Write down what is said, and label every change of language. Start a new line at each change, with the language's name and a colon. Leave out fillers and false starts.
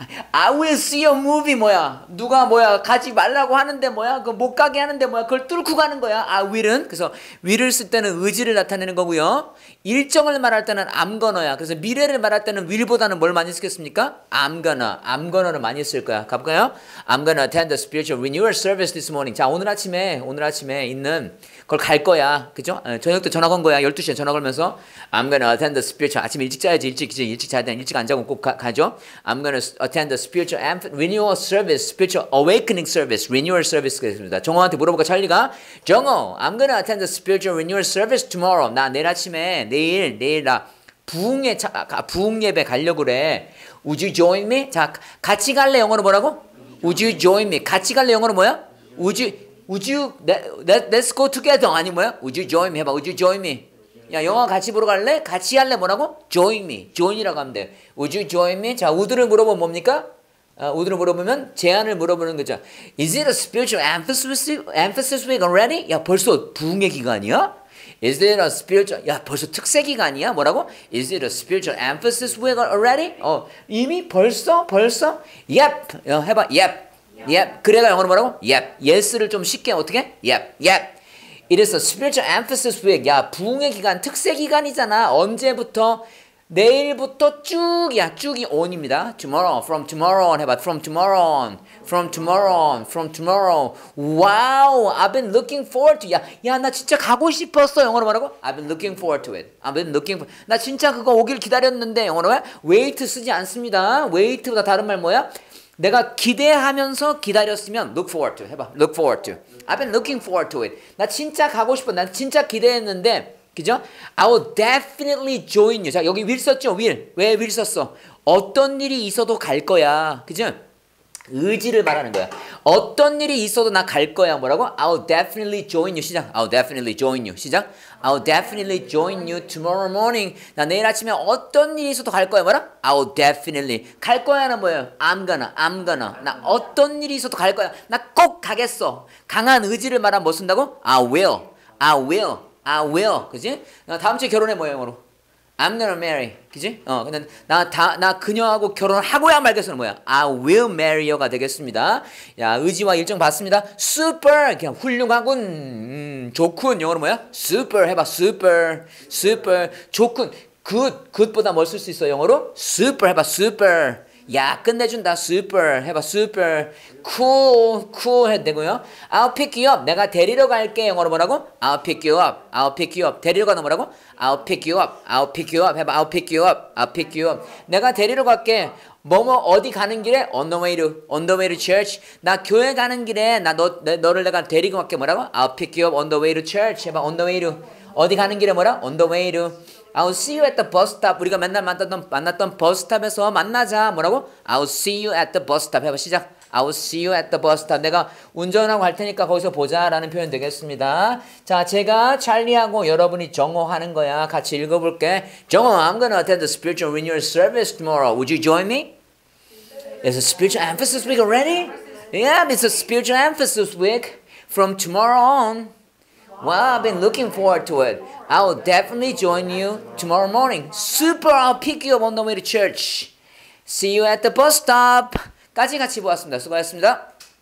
English: I will see a movie
Korean: 뭐야? 누가 뭐야? 가지 말라고 하는데 뭐야? 그 못 가게 하는데 뭐야? 그걸 뚫고 가는 거야.
English: I will은.
Korean: 그래서 will을 쓸 때는 의지를 나타내는 거고요. 일정을 말할 때는
English: I'm gonna야.
Korean: 그래서 미래를 말할 때는 will보다는 뭘 많이 쓰겠습니까?
English: I'm gonna를 많이 쓸 거야. 가볼까요? I'm gonna attend the spiritual renewal service this morning.
Korean: 자, 오늘 아침에 있는 그걸 갈 거야. 그죠? 저녁도 전화 건 거야. 12시에 전화 걸면서
English: I'm going to attend the spiritual.
Korean: 아침 일찍 자야지. 일찍 이제 일찍 자야 돼. 일찍 안 자고 꼭 가죠.
English: I'm going to attend the spiritual renewal service, spiritual awakening service, renewal service
Korean: 그랬습니다. 정호한테 물어볼까? 찰리가 정호,
English: I'm going to attend the spiritual renewal service tomorrow.
Korean: 나 내일 아침에 내일 나 부흥 예배 가려고 그래.
English: Would you join me?
Korean: 자, 같이 갈래? 영어로 뭐라고? Would you join me? 같이 갈래? 영어로 뭐야?
English: Let's go together.
Korean: 아니 뭐야?
English: Would you join me?
Korean: 해봐.
English: Would you join me?
Korean: 야, 영화 같이 보러 갈래? 같이 할래? 뭐라고? Join me. Join이라고 하면 돼.
English: Would you join me?
Korean: 자, would를 물어보면 뭡니까? Would를 물어보면 제안을 물어보는 거죠.
English: Is it a spiritual emphasis week already?
Korean: 야, 벌써 부흥의 기간이야?
English: Is it a spiritual,
Korean: 야, 벌써 특세 기간이야? 뭐라고?
English: Is it a spiritual emphasis week already?
Korean: 이미? 벌써? Yep. 야, 해봐.
English: Yep. Yep.
Korean: 그래가 영어로 뭐라고? Yep. Yes를 좀 쉽게 어떻게?
English: Yep. Yep. It is a spiritual emphasis week.
Korean: 야, 부흥의 기간, 특세 기간이잖아. 언제부터? 내일부터 쭉이야. 쭉이 on입니다.
English: Tomorrow. From tomorrow on.
Korean: 해봐.
English: From tomorrow on. From tomorrow on. From tomorrow. Wow. I've been looking forward to.
Korean: 야, 나 진짜 가고 싶었어. 영어로 뭐라고?
English: I've been looking forward to it. I've been looking forward.
Korean: 나 진짜 그거 오길 기다렸는데. 영어로 왜? Wait 쓰지 않습니다. Wait보다 다른 말 뭐야? 내가 기대하면서 기다렸으면
English: look forward to.
Korean: 해봐.
English: Look forward to. I've been looking forward to it.
Korean: 나 진짜 가고 싶어. 나 진짜 기대했는데. 그죠?
English: I will definitely join you.
Korean: 자, 여기 will 썼죠? Will. 왜 will 썼어? 어떤 일이 있어도 갈 거야. 그죠? 의지를 말하는 거야. 어떤 일이 있어도 나 갈 거야. 뭐라고?
English: I will definitely join you.
Korean: 시작.
English: I will definitely join you.
Korean: 시작.
English: I will definitely join you tomorrow morning.
Korean: 나 내일 아침에 어떤 일이 있어도 갈 거야. 뭐라?
English: I will definitely.
Korean: 갈 거야는 뭐예요? I'm gonna. 나 어떤 일이 있어도 갈 거야. 나 꼭 가겠어. 강한 의지를 말하면 뭐 쓴다고?
English: I will. I will,
Korean: 그지? 나 다음 주에 결혼해, 뭐 영어로?
English: I'm gonna marry,
Korean: 그지? 근데 나 그녀하고 결혼하고야 말겠어는 뭐야?
English: I will marry you가 되겠습니다.
Korean: 야, 의지와 일정 봤습니다.
English: Super,
Korean: 그냥 훌륭하군, 좋군, 영어로 뭐야?
English: Super,
Korean: 해봐, super, 좋군, good보다 뭘 쓸 수 있어, 영어로?
English: Super,
Korean: 해봐,
English: super.
Korean: 야, 끝내준다. Super. 해봐. Super. Cool. 해도 되고요.
English: I'll pick you up.
Korean: 내가 데리러 갈게. 영어로 뭐라고?
English: I'll pick you up.
Korean: 데리러 가는 뭐라고?
English: I'll pick you up. 해봐. I'll pick you up.
Korean: 내가 데리러 갈게. 뭐 어디 가는 길에?
English: On the way to church.
Korean: 나 교회 가는 길에 너를 내가 데리고 갈게. 뭐라고?
English: I'll pick you up on the way to church.
Korean: 해봐.
English: On the way to. 어디 가는 길에 뭐라? On the way to. I'll see you at the bus stop.
Korean: 우리가 맨날 만났던 버스탑에서 만나자. 뭐라고?
English: I'll see you at the bus stop.
Korean: 해봐, 시작.
English: I'll see you at the bus stop.
Korean: 내가 운전하고 갈 테니까 거기서 보자 라는 표현 되겠습니다. 자, 제가 찰리하고 여러분이 정호하는 거야. 같이 읽어볼게.
English: 정호, I'm going to attend the spiritual renewal service tomorrow. Would you join me? It's a spiritual emphasis week already? Yeah, it's a spiritual emphasis week. From tomorrow on. Wow, I've been looking forward to it. I will definitely join you tomorrow morning. Super, I'll pick you up on the way to church. See you at the bus stop.
Korean: 까지 같이 보았습니다. 수고하셨습니다.